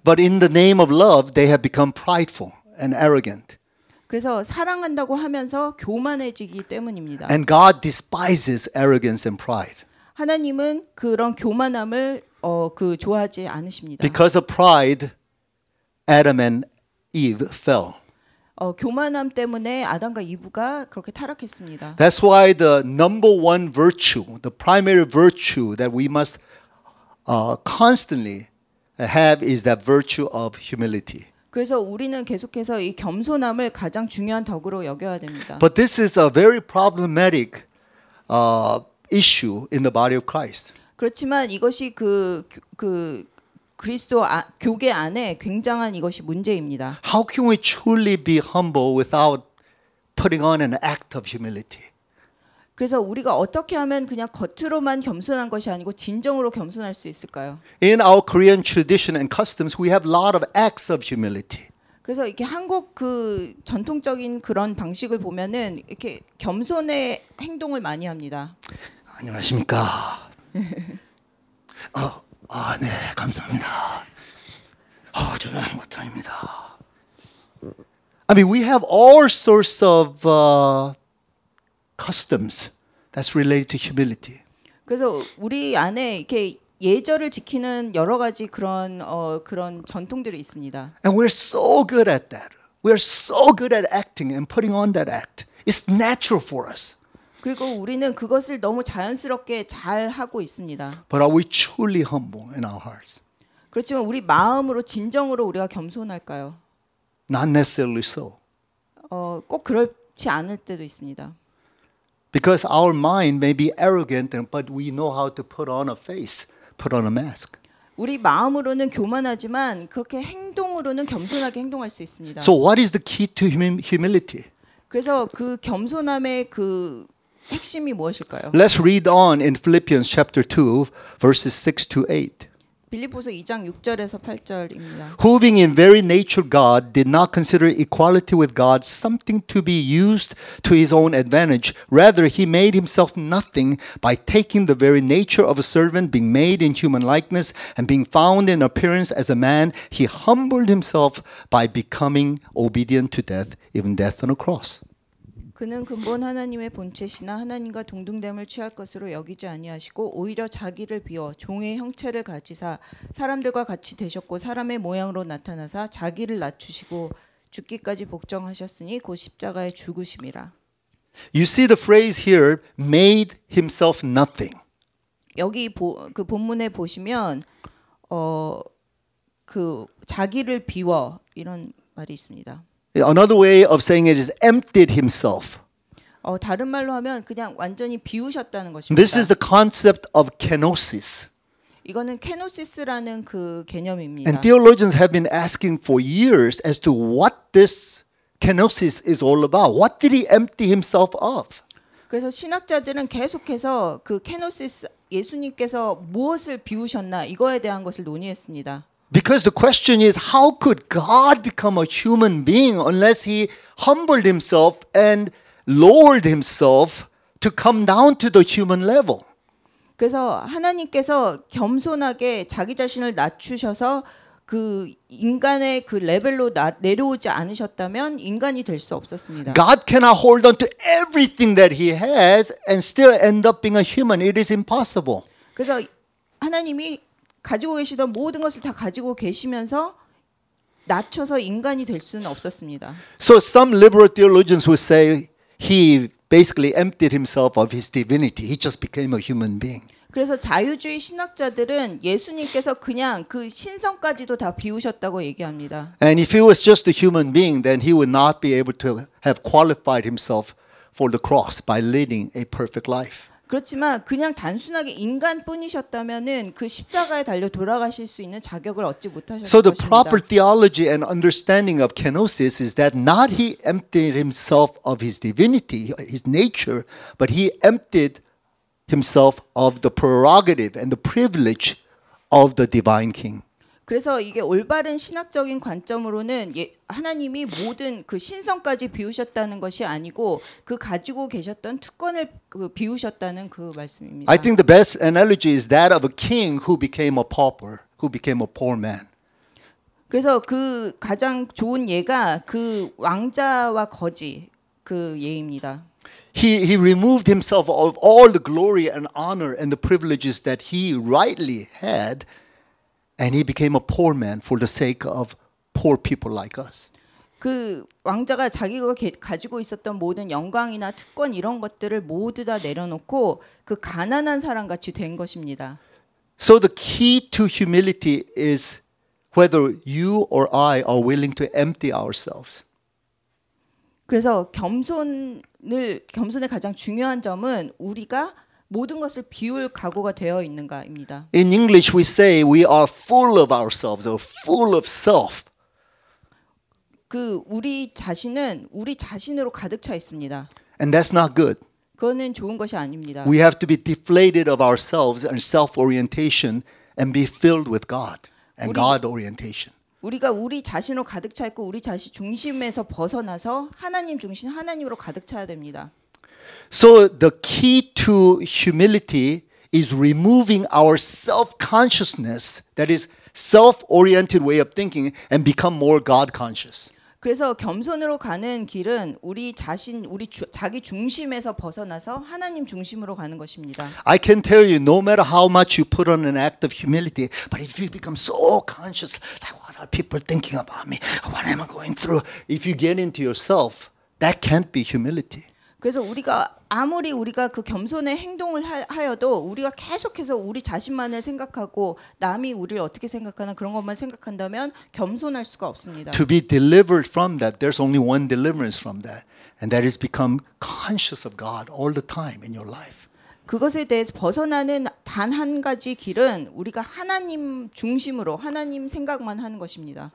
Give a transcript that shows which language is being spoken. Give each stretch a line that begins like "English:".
English: But in the name of love, they have become prideful and arrogant.
Korean: 그래서 사랑한다고 하면서 교만해지기 때문입니다.
English: And God despises arrogance and pride.
Korean: 하나님은 그런 교만함을 그 좋아하지 않으십니다.
English: Because of pride, Adam and Eve fell.
Korean: 교만함 때문에 아담과 이브가 그렇게 타락했습니다.
English: That's why the number one virtue, the primary virtue that we must constantly have is that virtue of humility.
Korean: 그래서 우리는 계속해서 이 겸손함을 가장 중요한 덕으로 여겨야 됩니다.
English: But this is a very problematic issue in the body of Christ.
Korean: 그렇지만 이것이 그 그리스도 교계 안에 굉장한 이것이 문제입니다.
English: How can we truly be humble without putting on an act of humility?
Korean: 그래서 우리가 어떻게 하면 그냥 겉으로만 겸손한 것이 아니고 진정으로 겸손할 수 있을까요?
English: In our Korean tradition and customs, we have a lot of acts of humility.
Korean: 그래서 이렇게 한국 그 전통적인 그런 방식을 보면은 이렇게 겸손의 행동을 많이 합니다. 안녕하십니까? 네, 감사합니다. 저는 못합니다.
English: I mean, we have all sorts of customs that's related to humility.
Korean: 그래서 우리 안에 이렇게 예절을 지키는 여러 가지 그런 그런 전통들이 있습니다.
English: And we're so good at that. We are so good at acting and putting on that act. It's natural for us.
Korean: 그리고 우리는 그것을 너무 자연스럽게 잘 하고 있습니다.
English: But are we truly humble in our hearts?
Korean: 그렇지만 우리 마음으로 진정으로 우리가 겸손할까요?
English: Not necessarily so.
Korean: 꼭 그렇지 않을 때도 있습니다.
English: Because our mind may be arrogant, but we know how to put on a face, put on a mask.
Korean: 우리 마음으로는 교만하지만 그렇게 행동으로는 겸손하게 행동할 수 있습니다.
English: So what is the key to humility?
Korean: 그래서 그 겸손함의 그 핵심이 무엇일까요?
English: Let's read on in Philippians chapter 2, verses 6 to 8.
Korean: 빌립보서 2장 6절에서 8절입니다.
English: Who being in very nature God did not consider equality with God something to be used to his own advantage. Rather, he made himself nothing by taking the very nature of a servant, being made in human likeness, and being found in appearance as a man, he humbled himself by becoming obedient to death, even death on a cross.
Korean: 그는 근본 하나님의 본체시나 하나님과 동등됨을 취할 것으로 여기지 아니하시고 오히려 자기를 비워 종의 형체를 가지사 사람들과 같이 되셨고 사람의 모양으로 나타나사 자기를 낮추시고 죽기까지 복종하셨으니 곧 십자가에 죽으심이라.
English: You see the phrase here, made himself nothing.
Korean: 여기 그 본문에 보시면 그 자기를 비워 이런 말이 있습니다.
English: Another way of saying it is emptied himself.
Korean: 다른 말로 하면 그냥 완전히 비우셨다는 것입니다.
English: This is the concept of kenosis.
Korean: 이거는 kenosis라는 그 개념입니다.
English: And theologians have been asking for years as to what this kenosis is all about. What did he empty himself of?
Korean: 그래서 신학자들은 계속해서 그 kenosis 예수님께서 무엇을 비우셨나 이거에 대한 것을 논의했습니다.
English: Because the question is, how could God become a human being unless he humbled himself and lowered himself to come down to the human level?
Korean: 그래서 하나님께서 겸손하게 자기 자신을 낮추셔서 그 인간의 그 레벨로 내려오지 않으셨다면 인간이 될 수 없었습니다.
English: God cannot hold on to everything that he has and still end up being a human. It is impossible.
Korean: 그래서 하나님이 가지고 계시던 모든 것을 다 가지고 계시면서 낮춰서 인간이 될 수는 없었습니다.
English: So some liberal theologians would say he basically emptied himself of his divinity. He just became a human being.
Korean: 그래서 자유주의 신학자들은 예수님께서 그냥 그 신성까지도 다 비우셨다고 얘기합니다.
English: And if he was just a human being, then he would not be able to have qualified himself for the cross by leading a perfect life.
Korean: 그렇지만 그냥 단순하게 인간뿐이셨다면은 그 십자가에 달려 돌아가실 수 있는 자격을 얻지 못하셨습니다.
English: So the proper theology and understanding of kenosis is that not he emptied himself of his divinity, his nature, but he emptied himself of the prerogative and the privilege of the divine king.
Korean: 그래서 이게 올바른 신학적인 관점으로는 하나님이 모든 그 신성까지 비우셨다는 것이 아니고 그 가지고 계셨던 특권을 비우셨다는 그 말씀입니다.
English: I think the best analogy is that of a king who became a pauper, who became a poor man.
Korean: 그래서 그 가장 좋은 예가 그 왕자와 거지 그 예입니다.
English: He removed himself of all the glory and honor and the privileges that he rightly had. And he became a poor man for the sake of poor people like us.
Korean: 그 왕자가 자기가 가지고 있었던 모든 영광이나 특권 이런 것들을 모두 다 내려놓고 그 가난한 사람 같이 된 것입니다.
English: So the key to humility is whether you or I are willing to empty ourselves.
Korean: 그래서 겸손의 가장 중요한 점은 우리가 모든 것을 비울 각오가 되어 있는가입니다.
English: In English, we say we are full of ourselves or full of self.
Korean: 그 우리 자신은 우리 자신으로 가득 차 있습니다.
English: And that's not good.
Korean: 그거는 좋은 것이 아닙니다.
English: We have to be deflated of ourselves and self-orientation and be filled with God and God-orientation.
Korean: 우리가 우리 자신으로 가득 차 있고 우리 자신 중심에서 벗어나서 하나님 중심 하나님으로 가득 차야 됩니다.
English: So the key to humility is removing our self-consciousness, that is self-oriented way of thinking, and become more God-conscious.
Korean: 그래서 겸손으로 가는 길은 우리 자신, 우리 주, 자기 중심에서 벗어나서 하나님 중심으로 가는 것입니다.
English: I can tell you, no matter how much you put on an act of humility, but if you become so conscious, like what are people thinking about me? What am I going through? If you get into yourself, that can't be humility.
Korean: 그래서 우리가 아무리 우리가 그 겸손의 행동을 하여도 우리가 계속해서 우리 자신만을 생각하고 남이 우리를 어떻게 생각하나 그런 것만 생각한다면 겸손할 수가 없습니다.
English: To be delivered from that, there's only one deliverance from that. And that is become conscious of God all the time in your life.
Korean: 그것에 대해서 벗어나는 단 한 가지 길은 우리가 하나님 중심으로 하나님 생각만 하는 것입니다.